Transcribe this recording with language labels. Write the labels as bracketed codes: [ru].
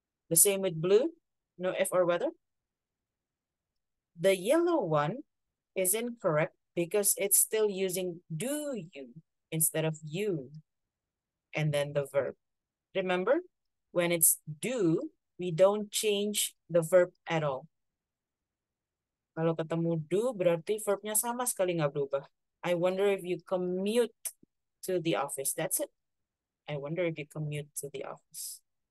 [en] The same with blue, no if or whether. The yellow one is incorrect because it's still using do you instead of you and then the verb. Remember, when it's do, we don't change the verb at all. [id] Kalau ketemu do, berarti verbnya sama sekali nggak berubah. [en] I wonder if you commute to the office. That's it. I wonder if you commute to the office.